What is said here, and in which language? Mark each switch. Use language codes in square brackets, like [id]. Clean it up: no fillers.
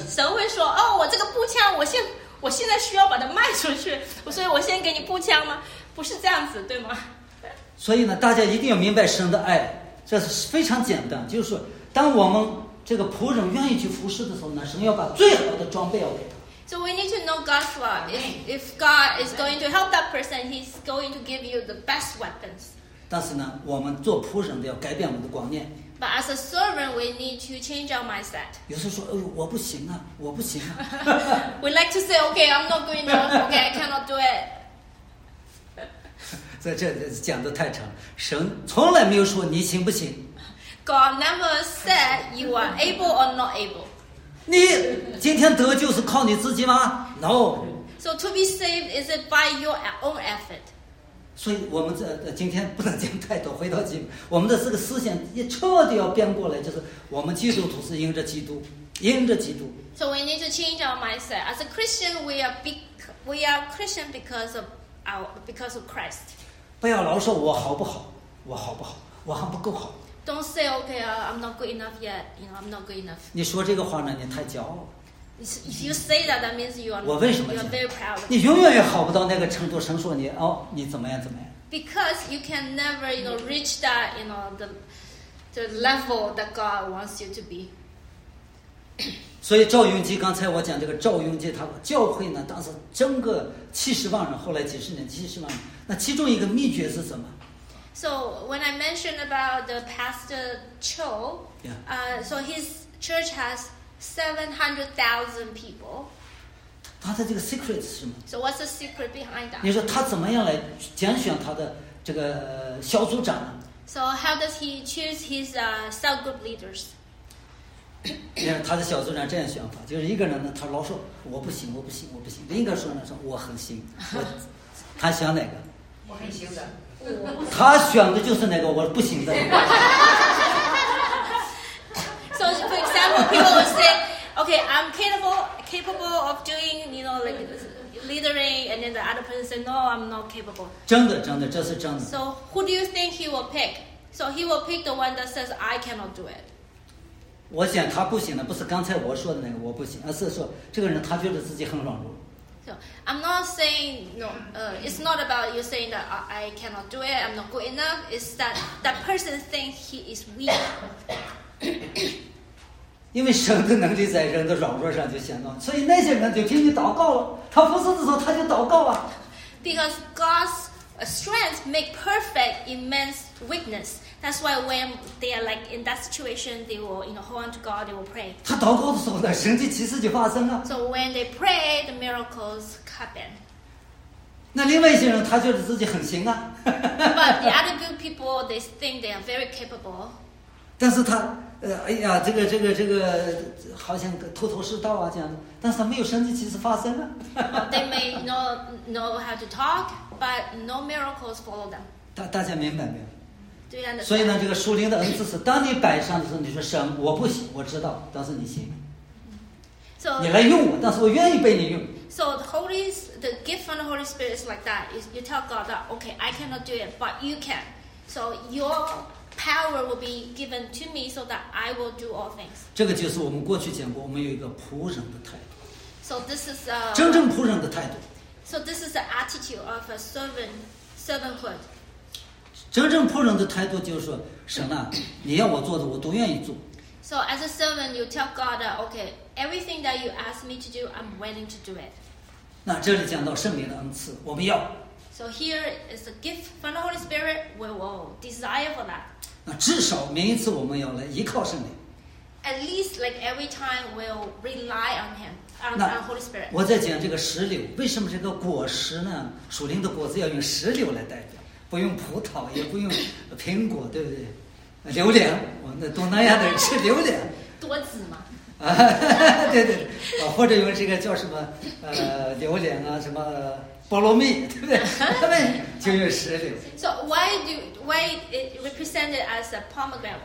[zh] 神会说，哦，我这个步枪我现在需要把它卖出去，所以我先给你步枪吗？不是这样子，对吗？所以呢，大家一定要明白神的爱，这是非常简单，就是当我们这个仆人愿意去服侍的时候呢，神要把最好的装备要给他。 [en] So we need to know God's law. If God is going to help that person, He's going to give you the best weapons. [zh] 但是呢，我们做仆人的要改变我们的观念。 [en] But as a servant, we need to change our mindset. [zh] 有时候说，哎，我不行啊，我不行啊。 [en] We like to say, okay, I'm not good enough. Okay, I cannot do it. [zh] 在这讲的太长，神从来没有说你行不行。 [en] God never said you are able or not able. [zh] 你今天得救是靠你自己吗 ？ [en] No. So to be saved is it by your own effort? [zh] 所以我们这今天不能讲太多，回到基督，我们的这个思想也彻底要变过来，就是我们基督徒是因着基督，因着基督。 [en] So we need to change our mindset. As a Christian, we are Christian because of Christ. [zh] 不要老说我好不好，我好不好，我还不够好。 [en] Don't say, okay, I'm not good enough yet. You know, I'm not good enough. [zh] 你说这个话呢，你太骄傲了。 [en] If you say that, that means you are. [zh] 我为什么？ [en] You are very proud. [zh] 你永远也好不到那个程度。神说你哦，你怎么样怎么样？ [en] Because you can never, you know, reach that, you know, the level that God wants you to be. [zh] 所以赵永基刚才我讲这个赵永基，他教会呢，当时整个70万人，后来几十年70万人，那其中一个秘诀是什么？ [en] So when I mentioned about the pastor Cho, yeah. So his church has 700,000 people. [zh] 他的这个 secret 是什么？ [en] So what's the secret behind that? [zh] 你说他怎么样来拣选他的这个小组长呢？ [en] So how does he choose his cell group leaders? [zh] 他的小组长这样选法，就是一个人呢，他老说我不行，我不行，我不行。另一个说呢，说我很行，他选哪个？我很行的。他选的就是那个我不行的。 [en] So for example, people would say, "Okay, I'm capable of doing, you know, like leading." And then the other person said, "No, I'm not capable." [zh] 真的，真的，这是真的。 [en] So who do you think he will pick? So he will pick the one that says, "I cannot do it." [zh] 我选他不行的，不是刚才我说的那个我不行，而是说这个人他觉得自己很软弱。 [en] I'm not saying no. It's not about you saying that I cannot do it. I'm not good enough. It's that person thinks he is weak. [zh] 因为神的能力在人的软弱上就显露，所以那些人就听你祷告了。他服侍的时候他就祷告啊。 [en] Because God's strength make perfect in man's weakness. That's why when they are like in that situation, they will, you know, hold on to God. They will pray. [zh] 他祷告的时候呢，神迹奇事就发生了。 [en] So when they pray, the miracles happen. [zh] 那另外一些人，他觉得自己很行啊。 [en] But the other good people, they think they are very capable. [zh] 但是他，哎呀，这个，好像头头是道啊这样的。但是他没有神迹奇事发生啊。 [en] They may not know how to talk, but no miracles follow them. [zh] 大家明白没有？对啊，所以呢，这个属灵的恩赐是，当你摆上的时候，你说神，我不行，我知道，但是你行。 [en] So, [zh] 你来用我，但是我愿意被你用。 [en] So the gift from the Holy Spirit is like that. Is you tell God that, okay, I cannot do it, but you can. So your power will be given to me so that I will do all things. [zh] 这个就是我们过去讲过，我们有一个仆人的态度。 [en] So this is a [zh] 真正仆人的态度。 [en] So this is the attitude of a servanthood. [zh] 真正仆人的态度就是说，神啊，你要我做的，我都愿意做。 [en] So as a servant, you tell God, okay, everything that you ask me to do, I'm willing to do it. [zh] 那这里讲到圣灵的恩赐，我们要。 [en] So here is a gift from the Holy Spirit. We will desire for that. [zh] 那至少每一次我们要来依靠圣灵。 [en] At least, like every time, we'll rely on Him, on the Holy Spirit. [zh] 我在讲这个石榴，为什么这个果实呢？属灵的果子要用石榴来代表。不用葡萄，也不用苹果，对不对？榴莲，我们的东南亚的人吃榴莲，多子嘛。啊，对对，啊，或者用这个叫什么榴莲啊，什么菠萝蜜，对不对？他们就用石榴。 [en] So why it represented as a pomegranate?